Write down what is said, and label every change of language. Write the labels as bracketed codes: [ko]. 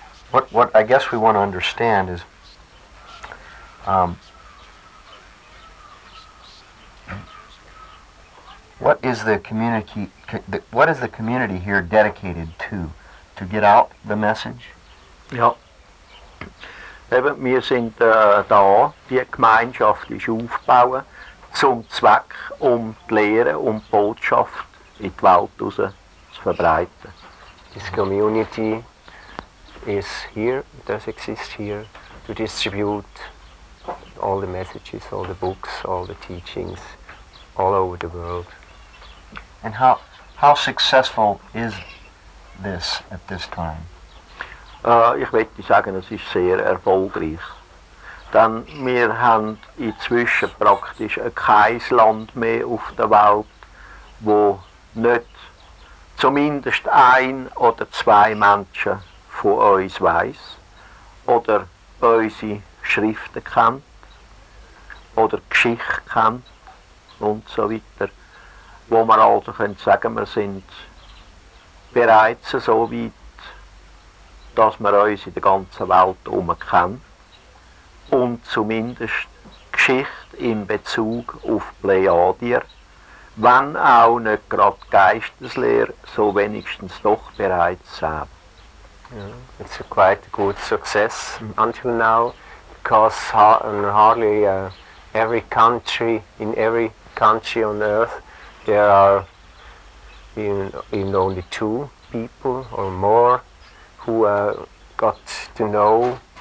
[en] What I guess we want to understand is what is the community here dedicated to get out the message? [de] Ja. Eben, wir sind da, die Gemeinschaft ist aufgebaut zum Zweck, um die Lehre und die Botschaft in die Welt raus zu verbreiten. [en] This community is here, does exist here, to distribute all the messages, all the books, all the teachings, all over the world. And how successful is this at this time? [de] Ich möchte sagen, es ist sehr erfolgreich. Denn wir haben inzwischen praktisch kein Land mehr auf der Welt, wo nicht zumindest ein oder zwei Menschen von uns weiss oder unsere Schriften kennt oder Geschichte kennt und so weiter. Wo wir also können sagen, wir sind bereits so weit, dass man uns in der ganzen Welt umkennt und zumindest Geschichte in Bezug auf Plejadier, wenn auch nicht gerade Geisteslehre, so wenigstens doch bereits haben. [en] Yeah, it's a quite a good success until now, because hardly every country, in every country on earth, there are in only two people or more who got to know